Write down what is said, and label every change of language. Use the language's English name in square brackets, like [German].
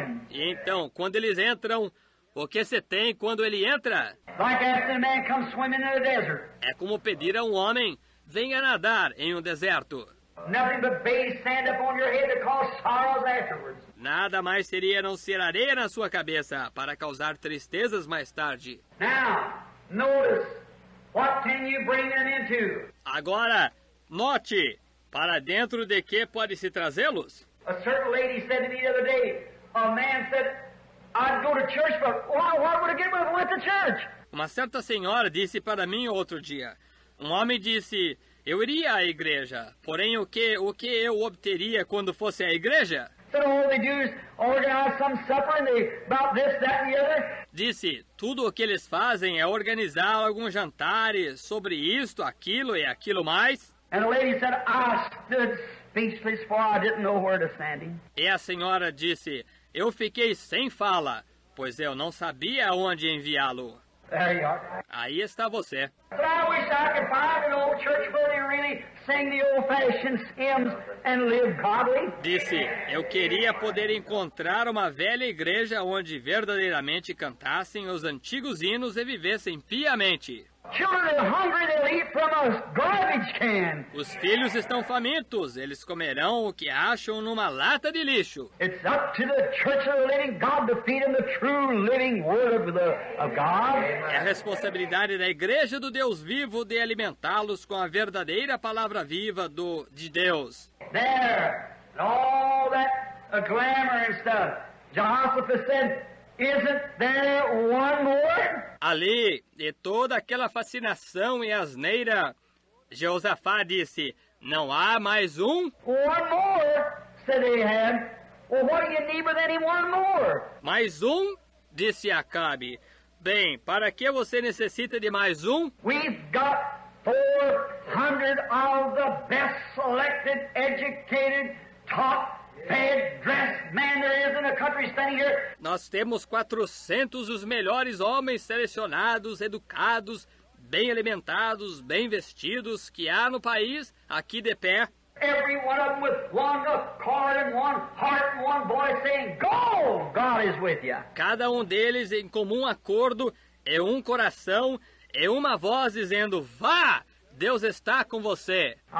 [Portuguese] E então, quando eles entram, o que se tem quando ele entra? [English] Like asking a man come swimming in a desert. [Portuguese] É como pedir a homem, venha nadar em deserto. [English] Nothing but base sand upon your head to cause sorrows afterwards. [Portuguese] Nada mais seria não ser areia na sua cabeça para causar tristezas mais tarde. [English] Now, notice, what can you bring them into? [Portuguese] Agora, note, para dentro de que pode-se trazê-los? [English] A certain lady said to me the other day, a man said, I'd go to church, but why would I get with the church? [Portuguese] Uma certa senhora disse para mim outro dia, homem disse, eu iria à igreja, porém o que eu obteria quando fosse à igreja? [English] So all they do is organize some supper and they, about this, that and the other. [Portuguese] Disse, tudo o que eles fazem é organizar algum jantar sobre isto, aquilo e aquilo mais. [English] And a lady said, I stood speechless for I didn't know where to stand. [Portuguese] E a senhora disse, eu fiquei sem fala, pois eu não sabia onde enviá-lo. [English] There you are. [Portuguese] Aí está você. [English] But I wish I could find an old church where they really sing the old-fashioned hymns and live godly. [Portuguese] Disse, eu queria poder encontrar uma velha igreja onde verdadeiramente cantassem os antigos hinos e vivessem piamente. [English] Children are hungry, they'll eat from a garbage can. [Portuguese] Os filhos estão famintos, eles comerão o que acham numa lata de lixo. [English] It's up to the church of the living God to feed them the true living word of God. [Portuguese] É a responsabilidade da igreja do Deus vivo de alimentá-los com a verdadeira palavra viva de Deus. [English] There, and all that glamour and stuff, Jehoshaphat said, isn't there one more? [Portuguese] Ali, e toda aquela fascinação e asneira, Jeosafá disse, não há mais um? [English] One more, said Ahab. Well, what do you need with any one more? [Portuguese] Mais um? Disse Acabe. Bem, para que você necessita de mais um? [English] We've got 400 of the best selected, educated, top fed, dressed man there is in the country standing here. [Portuguese] Nós temos 400 os melhores homens selecionados, educados, bem alimentados, bem vestidos que há no país aqui de pé. [English] Every one of them with one accord and one heart and one voice saying, "Go, God is with you." [Portuguese] Cada deles em comum acordo, é coração, é voz dizendo, "Vá, Deus está com você.